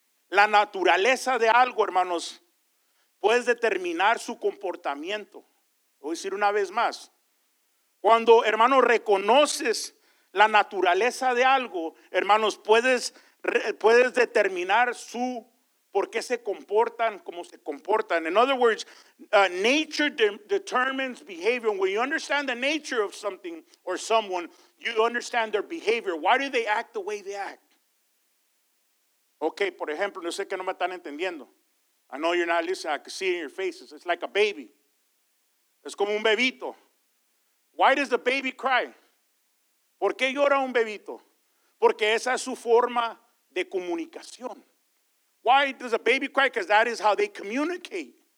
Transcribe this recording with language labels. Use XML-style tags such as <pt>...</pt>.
<es>La naturaleza de algo, hermanos, puede determinar su comportamiento. Voy a decir una vez más. Cuando, hermano, reconoces la naturaleza de algo, hermanos, puedes determinar su, por qué se comportan como se comportan.</es> <en>In other words, nature determines behavior. When you understand the nature of something or someone, you understand their behavior. Why do they act the way they act?</en> <es>Okay, por ejemplo, no sé que no me están entendiendo.</es> <en>I know you're not listening. I can see it in your faces. It's like a baby.</en> <es>Es como un bebito.</es> <en>Why does the baby cry?</en> <es>¿Por qué llora un bebito? Porque esa es su forma de comunicación.</es> <en>Why does a baby cry? Because that is how they communicate.</en>